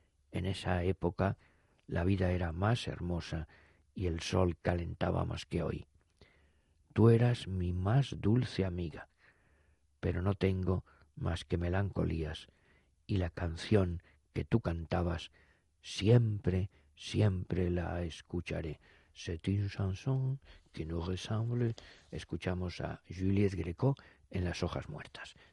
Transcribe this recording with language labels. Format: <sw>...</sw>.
<es>En esa época la vida era más hermosa y el sol calentaba más que hoy. tú eras mi más dulce amiga, pero no tengo más que melancolías y la canción que tú cantabas siempre, siempre la escucharé.</es> <fr>C'est une chanson qui nous ressemble.</fr> <es>Escuchamos a Juliette Gréco en Las hojas muertas.</es>